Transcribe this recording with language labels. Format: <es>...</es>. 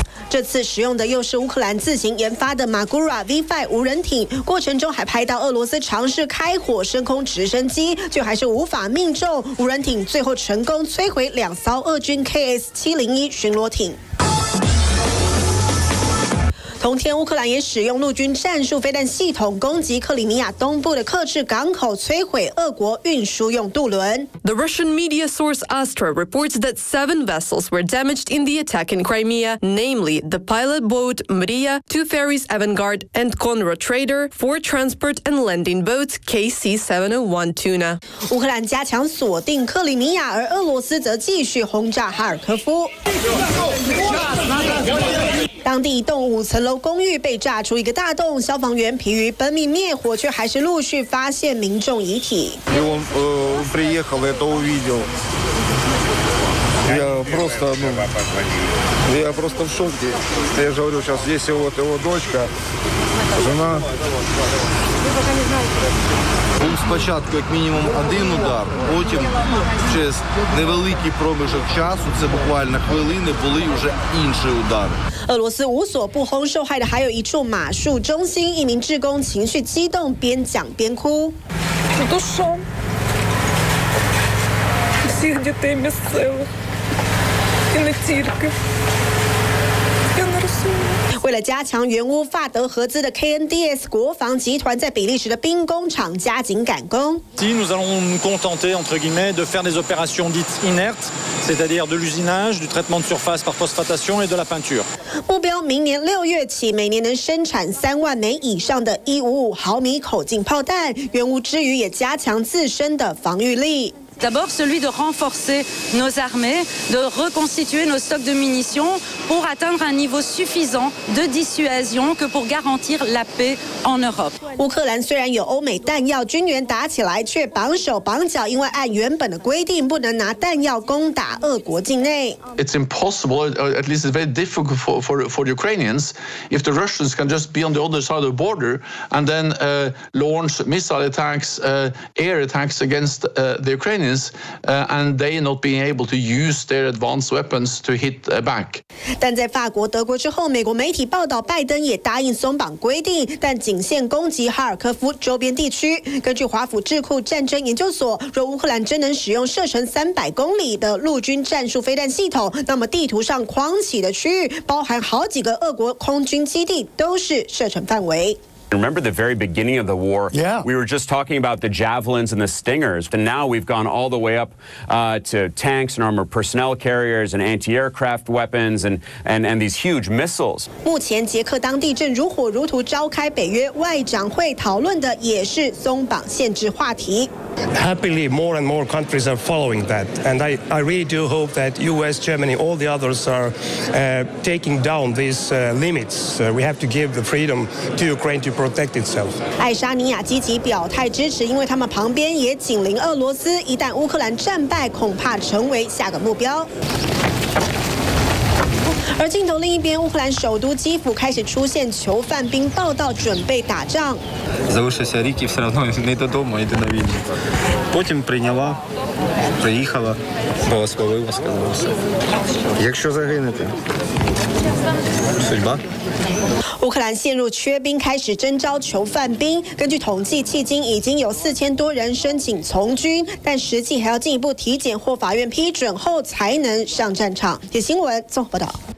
<zh>这次使用的又是乌克兰自行研发的 Magura V5 无人艇，过程中还拍到俄罗斯尝试开火升空直升机，却还是无法命中。无人艇最后成功摧毁两艘俄军 KS-701 巡逻艇。同天，乌克兰也使用陆军战术飞弹系统攻击克里米亚东部的克制港口，摧毁俄国运输用渡轮。</zh> <en>The Russian media source Astra reports that 7 vessels were damaged in the attack in Crimea, namely the pilot boat Maria, 2 ferries Avangard and Conrad Trader, 4 transport and landing boats KC-701 Tuna.</en> <zh>乌克兰加强锁定克里米亚，而俄罗斯则继续轰炸哈尔科夫。当地一栋5层楼公寓被炸出一个大洞，消防员疲于奔命灭火，却还是陆续发现民众遗体。</zh> <uk>Спочатку як мінімум один удар, потім через невеликий проміжок часу, це буквально хвилини, були вже інші удари.</uk> <zh>俄罗斯无所不轰，受害的还有一处马术中心，一名志工情绪激动，边讲边哭。</zh> <uk>Це душа всіх дітей місцевих і не тільки.</uk> <zh>为了加强原乌法德合资的 KNDS 国防集团在比利时的兵工厂加紧赶工。</zh> <fr>Si nous allons nous contenter entre guillemets de faire des opérations dites inertes, c'est-à-dire de l'usinage, du traitement de surface par phosphatation et de la peinture.</fr> <zh>目标明年六月起，每年能生产30,000枚以上的155毫米口径炮弹。原乌之余也加强自身的防御力。</zh> <fr>D'abord celui de renforcer nos armées, de reconstituer nos stocks de munitions pour atteindre un niveau suffisant de dissuasion que pour garantir la paix en Europe.</fr> <zh>乌克兰虽然有欧美弹药，军援打起来却绑手绑脚，因为按原本的规定不能拿弹药攻打俄国境内。</zh> <en>It's impossible, or at least it's very difficult for Ukrainians if the Russians can just be on the other side of the border and then launch missile attacks, air attacks against the Ukraine. And they not being able to use their advanced weapons to hit back.</en> <zh>但在法国、德国之后，美国媒体报道，拜登也答应松绑规定，但仅限攻击哈尔科夫周边地区。根据华府智库战争研究所，若乌克兰真能使用射程300公里的陆军战术飞弹系统，那么地图上框起的区域，包含好几个俄国空军基地，都是射程范围。</zh> <en>Remember the very beginning of the war? Yeah. We were just talking about the javelins and the stingers, and now we've gone all the way up to tanks and armored personnel carriers and anti-aircraft weapons and these huge missiles.</en> <zh>目前捷克当地正如火如荼召开北约外长会，讨论的也是松绑限制话题。</zh> <en>Happily, more and more countries are following that, and I really do hope that U.S., Germany, all the others are taking down these limits. We have to give the freedom to Ukraine.</en> <zh>爱沙尼亚积极表态支持，因为他们旁边也紧邻俄罗斯，一旦乌克兰战败，恐怕成为下个目标。而镜头另一边，乌克兰首都基辅开始出现囚犯兵报道，准备打仗。</zh> <uk>Залишився рік і все одно не додому, йде на війну. Потім прийняла, приїхала, благословила, сказала все. Якщо загинете, судьба.</uk> <zh>乌克兰陷入缺兵，开始征召囚犯兵。根据统计，迄今已经有4000多人申请从军，但实际还要进一步体检或法院批准后才能上战场。《新闻综合报道》。</zh>